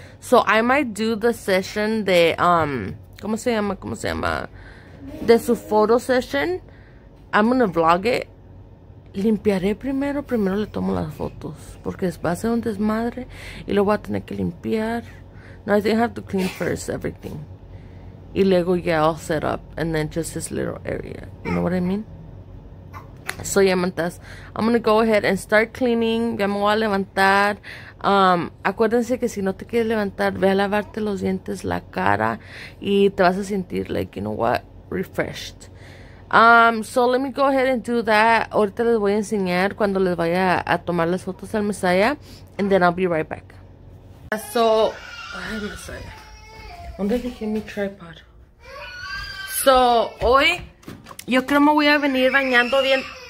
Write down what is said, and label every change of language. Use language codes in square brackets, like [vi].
[en] So, I might do the session [es] de, ¿cómo se llama? ¿Cómo se llama? De su [en] photo session. I'm gonna vlog it. [es] Limpiaré primero. Primero le tomo las fotos. Porque va a ser un desmadre. Y lo voy a tener que limpiar. [en] No, I think I have to clean first everything. [es] Y luego ya [en] all set up. And then just this little area. You know what I mean? So, yeah, mantas. I'm gonna go ahead and start cleaning. [es] Ya me voy a levantar. Acuérdense que si no te quieres levantar, ve a lavarte los dientes, la cara, y te vas a sentir, [en] like, you know what, refreshed. So let me go ahead and do that. [es] Ahorita les voy a enseñar cuando les vaya a tomar las fotos al Messiah, [en] and then I'll be right back. [es] So, ay, Messiah, ¿dónde dejé mi tripod? So, hoy, yo creo me voy a venir bañando bien.